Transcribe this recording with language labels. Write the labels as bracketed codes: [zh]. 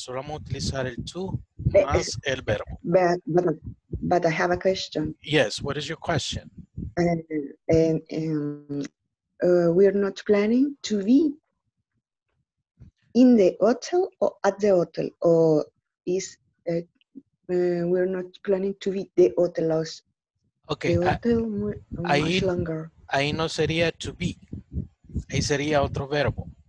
[es] Solo vamos a utilizar el to más el verbo. [en] But I have a question. Yes, what is your question? We're not planning to be in the hotel or at the hotel, or is we're not planning to be the hotel house. Okay. The hotel much longer. [es] Ahí no sería to be, ahí sería otro verbo.